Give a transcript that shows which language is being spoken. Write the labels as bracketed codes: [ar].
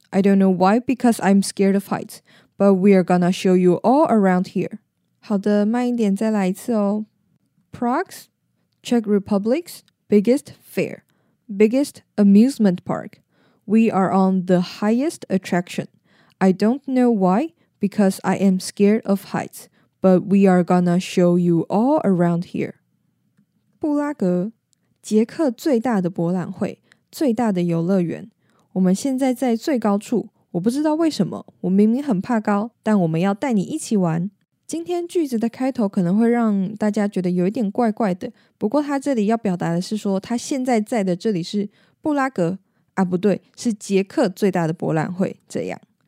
[en] I don't know why, because I'm scared of heights. But we're gonna show you all around here. [zh] 好的，慢一点再来一次哦。 [en] Prague's Czech Republic's biggest fair, biggest amusement park. We are on the highest attraction. I don't know why, because I am scared of heights. But we are gonna show you all around here. [zh] 布拉格，捷克最大的博览会，最大的游乐园。我们现在在最高处，我不知道为什么，我明明很怕高，但我们要带你一起玩。今天句子的开头可能会让大家觉得有一点怪怪的，不过他这里要表达的是说，他现在在的这里是布拉格，啊不对，是捷克最大的博览会，这样。